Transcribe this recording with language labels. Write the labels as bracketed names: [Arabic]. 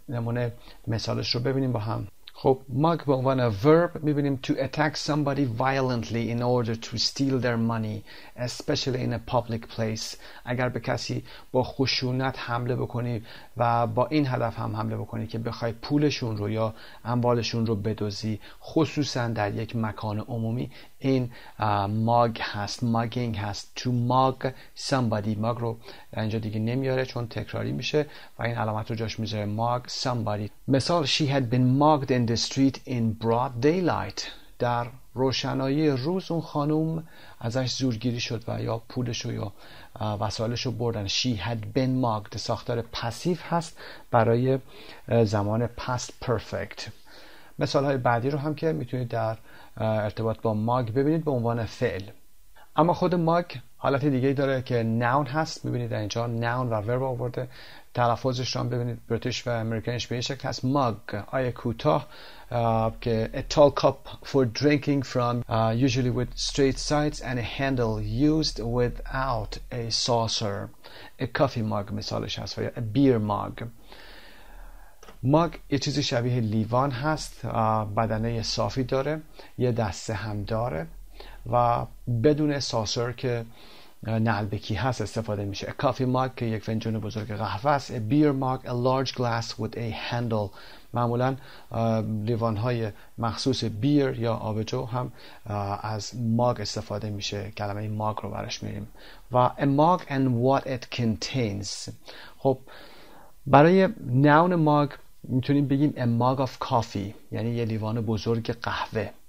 [Persian] نمونه مثالش رو ببینیم با هم. خب مگ به عنوان [English] verb میبینیم to attack somebody violently in order to steal their money, especially in a public place. [Persian] اگر به کسی با خشونت حمله بکنی و با این هدف هم حمله بکنی که بخوای پولشون رو یا اموالشون رو بدزدی، خصوصا در یک مکان عمومی، این mug هست. mugging هست. [English] to mug somebody. [Persian] mug رو اینجا دیگه نمیاره چون تکراری میشه و این علامت رو جاش میذاره. [English] mug somebody. مثال: she had been mugged in the street in broad daylight. [Persian] در روشنایی روز اون خانم ازش زورگیری شد و یا پولشو یا وسایلشو بردن. [English] she had been mugged. [Persian] ساختار پسیو هست برای زمان past perfect. مثال های بعدی رو هم که میتونید در ارتباط با mug ببینید به عنوان فعل. اما خود mug حالت دیگه داره که noun هست. ببینید در اینجا noun و verb آورده. تلفظش رو هم ببینید، بریتیش و امریکانیش به این شکل هست. [English] mug، [Persian] آیه کوتاه که [English] a tall cup for drinking from, usually with straight sides and a handle used without a saucer. a coffee mug [Persian] مثالش هست و یا [English] a beer mug. [Persian] مگ یه چیزی شبیه لیوان هست، بدنه صافی داره، یه دسته هم داره و بدون ساسر که نعلبکی هست استفاده میشه. کافی مگ که یک فنجون بزرگ قهوه است. [English] Beer mug, a large glass with a handle. [Persian] معمولا لیوانهای مخصوص بیر یا آبجو هم از مگ استفاده میشه. کلمه مگ رو برش میریم و [English] a mug and what it contains. [Persian] خب برای نون مگ میتونیم بگیم [English] a mug of coffee، [Persian] یعنی یه لیوان بزرگ قهوه.